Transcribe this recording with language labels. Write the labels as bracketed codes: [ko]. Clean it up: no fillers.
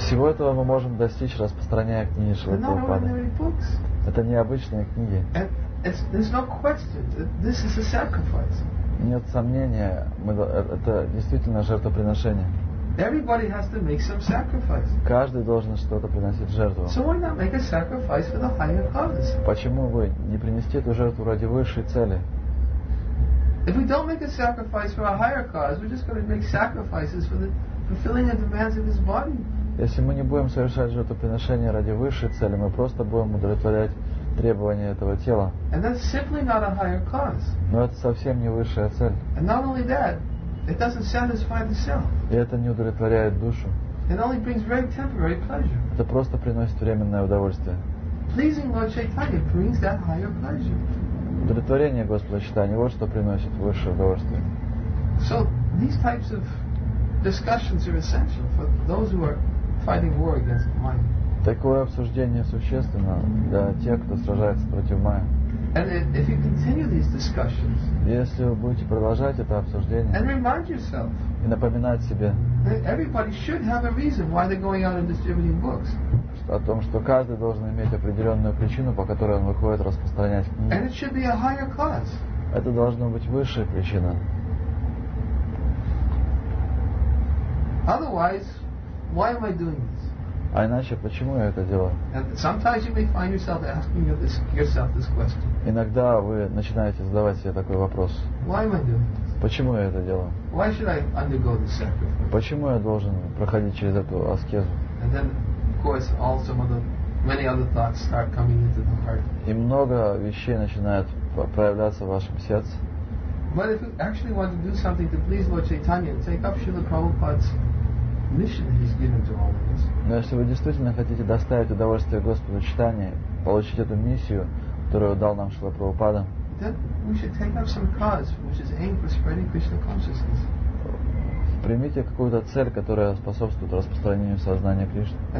[ru] Всего этого мы можем достичь, распространяя книги Śrīla Prabhupāda. Это необычные книги. [en] There's no question. This is a sacrifice. [ru] Нет сомнения, это действительно жертвоприношение. [en] Everybody has to make some sacrifice. [ru] Каждый должен что-то приносить в жертву. [en] So why not make a sacrifice for the higher cause? [ru] Почему бы не принести эту жертву ради высшей цели? [en] If we don't make a sacrifice for a higher cause, we're just going to make sacrifices for the fulfilling the demands of his body. [ru] Если мы не будем совершать жертвоприношение ради высшей цели, мы просто будем удовлетворять требования этого тела. [en] And that's simply not a higher cause. [ru] Но это совсем не высшая цель. [en] And not only that, it doesn't satisfy the self. [ru] И это не удовлетворяет душу. [en] It only brings very temporary pleasure. [ru] Это просто приносит временное удовольствие. [en] Pleasing Lord Chaitanya brings that higher pleasure. [ru] Удовлетворение Господа Чайтаньи вот что приносит высшее удовольствие. [en] So these types of discussions are essential for those who are fighting war against the mind. [ru] Такое обсуждение существенно для тех, кто сражается против Майи. [en] And if you continue these discussions, [ru] если вы будете продолжать это обсуждение, [en] and remind yourself, [ru] и напоминать себе, [en] everybody should have a reason why they're going out and distributing books. [ru] О том, что каждый должен иметь определенную причину, по которой он выходит распространять книги. [en] And it should be a higher cause. [ru] Это должна быть высшая причина. [en] Otherwise, why am I doing this? [ru] А иначе почему я это делаю? [en] And sometimes you may find yourself asking yourself this question. [ru] Иногда вы начинаете задавать себе такой вопрос. [en] Why am I doing this? [ru] Почему я это делаю? [en] Why should I undergo this sacrifice? [ru] Почему я должен проходить через эту аскезу? [en] And then, of course, all some of the many other thoughts start coming into the heart. [ru] И много вещей начинает проявляться в вашем сердце. [en] But if you actually want to do something to please Lord Chaitanya, take up Śrīla Prabhupāda's mission that he's given to all of us. [ru] Но если вы действительно хотите доставить удовольствие Господу Чайтанье, получить эту миссию, которую дал нам Шрила Прабхупада, примите какую-то цель, которая способствует распространению сознания Кришны.